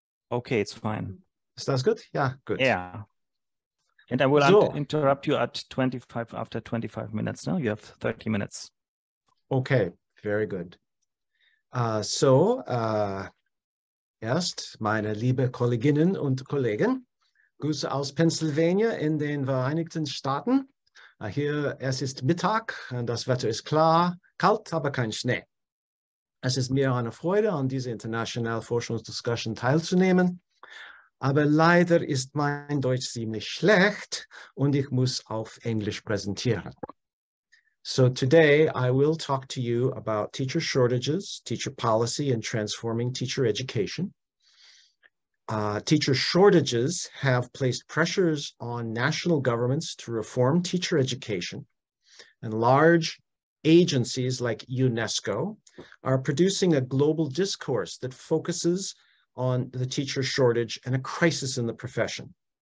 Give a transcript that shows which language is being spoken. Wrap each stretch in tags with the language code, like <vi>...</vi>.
<en>Okay, it's fine. Is that good? Yeah, good. Yeah. And I will interrupt you at 25, after 25 minutes. Now you have 30 minutes. Okay, very good.</en> <de>Erst meine liebe Kolleginnen und Kollegen, Grüße aus Pennsylvania in den Vereinigten Staaten. Hier, es ist Mittag, das Wetter ist klar, kalt, aber kein Schnee. Es ist mir eine Freude, an dieser internationalen Forschungsdiskussion teilzunehmen. Aber leider ist mein Deutsch ziemlich schlecht und ich muss auf Englisch präsentieren.</de> <en>So today I will talk to you about teacher shortages, teacher policy and transforming teacher education. Teacher shortages have placed pressures on national governments to reform teacher education, and large agencies like UNESCO are producing a global discourse that focuses on the teacher shortage and a crisis in the profession.</en>